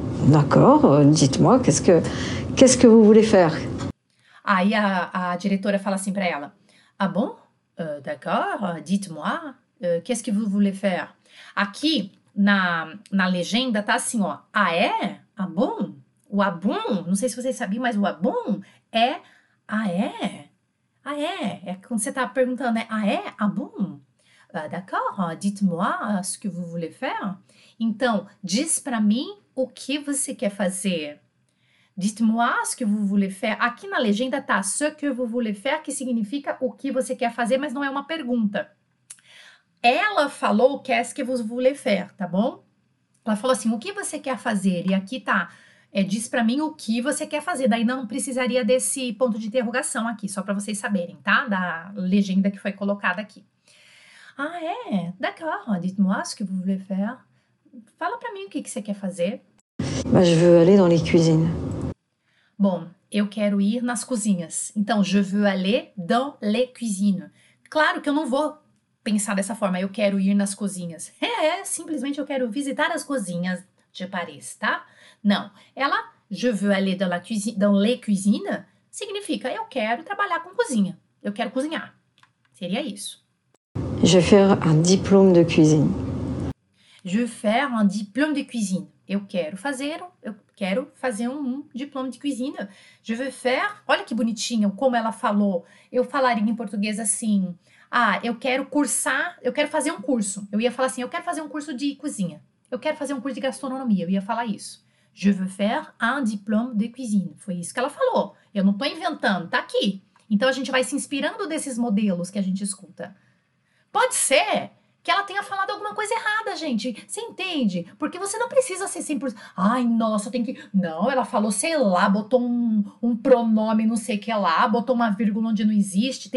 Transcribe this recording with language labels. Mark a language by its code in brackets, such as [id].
[fr] D'accord, dites-moi, qu'est-ce que vous voulez faire? [pt] Aí a diretora fala assim pra ela, [fr] ah bon? D'accord, dites-moi, qu'est-ce que vous voulez faire? [pt] Aqui, na legenda, tá assim, ó. Ah, é? Ah, bom? O ah, bom, não sei se vocês sabiam, mas o ah, bom é... Ah, é? Ah, é? É quando você tá perguntando, né? Ah, é? Ah, bom? [fr] D'accord, dites-moi, ce que vous voulez faire? [pt] Então, diz pra mim o que você quer fazer. [fr] Dites-moi ce que vous voulez faire. [pt] Aqui na legenda tá [fr] ce que vous voulez faire, [pt] que significa o que você quer fazer, mas não é uma pergunta. Ela falou [fr] qu'est-ce que vous voulez faire, [pt] tá bom? Ela falou assim, o que você quer fazer? E aqui tá, diz pra mim o que você quer fazer. Daí não precisaria desse ponto de interrogação aqui, só pra vocês saberem, tá? Da legenda que foi colocada aqui. Ah, é? D'accord. [fr] Dites-moi ce que vous voulez faire. [pt] Fala pra mim o que, que você quer fazer. [fr] Mas je veux aller dans les cuisines. [pt] Bom, eu quero ir nas cozinhas. Então, [fr] je veux aller dans les cuisines. [pt] Claro que eu não vou pensar dessa forma, eu quero ir nas cozinhas. Simplesmente eu quero visitar as cozinhas de Paris, tá? Não, ela, [fr] je veux aller dans les cuisines, [pt] significa eu quero trabalhar com cozinha. Eu quero cozinhar. Seria isso. [fr] Je veux faire un diplôme de cuisine. Je veux faire un diplôme de cuisine. [pt] Eu quero fazer um diploma de cozinha. [fr] Je veux faire. [pt] Olha que bonitinho como ela falou. Eu falaria em português assim: "Ah, eu quero cursar, eu quero fazer um curso". Eu ia falar assim: "Eu quero fazer um curso de cozinha. Eu quero fazer um curso de gastronomia". Eu ia falar isso. Je veux faire un diplôme de cuisine. Foi isso que ela falou. Eu não tô inventando, tá aqui. Então a gente vai se inspirando desses modelos que a gente escuta. Pode ser que ela tenha falado alguma coisa errada, gente. Você entende? Porque você não precisa ser 100%. Ai, nossa, tem que... Não, ela falou, sei lá, botou um pronome não sei o que lá, botou uma vírgula onde não existe.